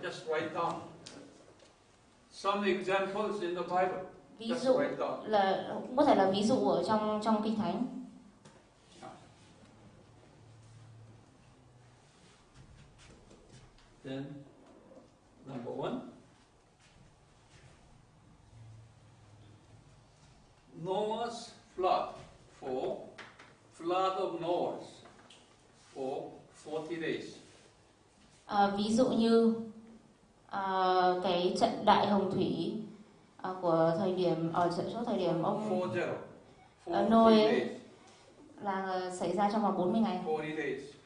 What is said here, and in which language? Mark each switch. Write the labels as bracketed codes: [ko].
[en] Just write down some examples in the Bible. [vi] Ví dụ [en] just write down. [vi] Là có thể là ví dụ ở trong Kinh Thánh. [en] Then, number one, Noah's flood, flood of Noah's for 40 days. [vi] Ví dụ như cái trận đại hồng thủy của thời điểm ở số thời điểm ông Noah là xảy ra trong vòng 40 ngày. [en] 40 days.